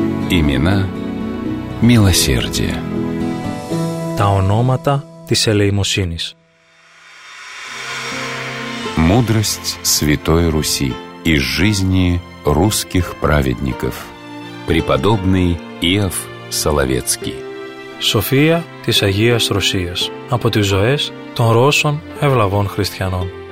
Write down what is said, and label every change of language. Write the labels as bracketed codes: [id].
[ru] Имена милосердия. [el] Τα ονόματα της ελεημοσύνης. [ru] Мудрость Святой Руси из жизни русских праведников. Преподобный Иов Соловецкий. [el] Σοφία της Αγίας Ρωσίας από τις ζωές των Ρώσων ευλαβών χριστιανών.